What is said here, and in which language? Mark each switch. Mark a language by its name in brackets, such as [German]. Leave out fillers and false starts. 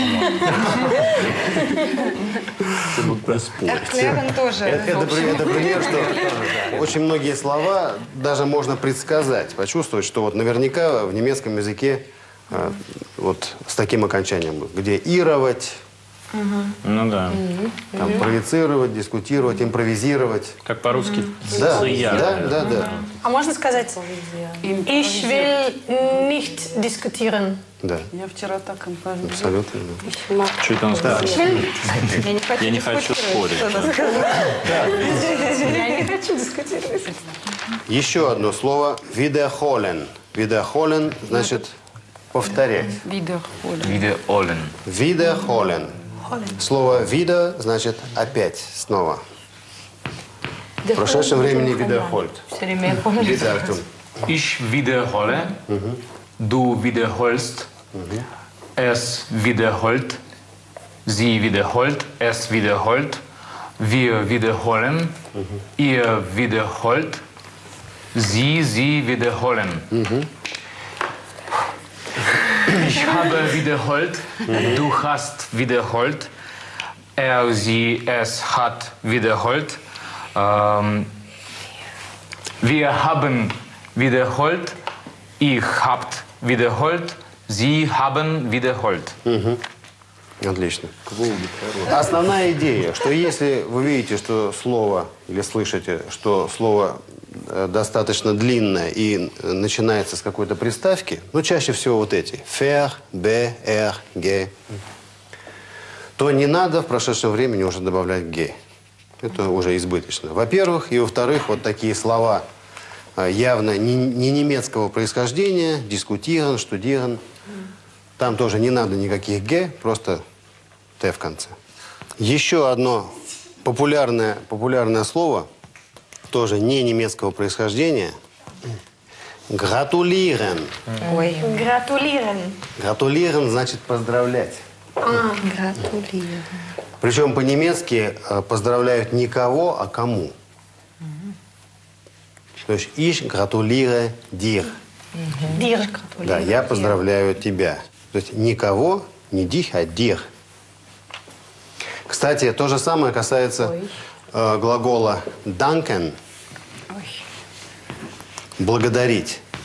[Russian] Это пример, что очень многие слова даже можно предсказать, почувствовать, что вот наверняка в немецком языке вот с таким окончанием, где ировать, Угу. Ну да. Угу. Там провоцировать, дискутировать, импровизировать. Как по-русски. Угу. Да, да, да, да, да. А можно сказать? [German] Ich will nicht diskutieren. [Russian] Да. Я вчера так импровизировал. Абсолютно. Что это он сказал? Я не хочу спорить. Я не хочу дискутировать. Еще одно слово. Wiederholen. Wiederholen значит повторять. [German] Wiederholen. Wiederholen. [Russian] Слово «wieder» значит «опять», «снова». В прошедшем времени «wiederholt». Все время я помню. [German] Wieder, Артем. Ich wiederhole, du wiederholst, es wiederholt, sie wiederholt, es wiederholt, wir wiederholen, ihr wiederholt, sie, sie wiederholen. Ich habe wiederholt, du hast wiederholt, er, sie, es hat wiederholt, wir haben wiederholt, ich habt wiederholt, sie haben wiederholt. [Russian] Отлично. Основная идея, что если вы видите, что слово, или слышите, что слово достаточно длинное и начинается с какой-то приставки, ну, чаще всего вот эти, «фер», «бер», «ге», то не надо в прошедшем времени уже добавлять «ге». Это уже избыточно. Во-первых, и во-вторых, вот такие слова явно не немецкого происхождения, «дискутирован», «штудирован», там тоже не надо никаких «г», просто «т» в конце. Еще одно популярное слово, тоже не немецкого происхождения. [German] «Gratulieren». Ой. «Gratulieren». [Russian] «Gratulieren» значит «поздравлять». [German] А, «gratulieren». [Russian] Причем по-немецки «поздравляют» не кого, а кому. То есть [German] «Ich gratuliere dir». «Dir». [Russian] Да, «я поздравляю тебя». То есть никого, не дих, а дих. Кстати, то же самое касается глагола «данкен» – «благодарить».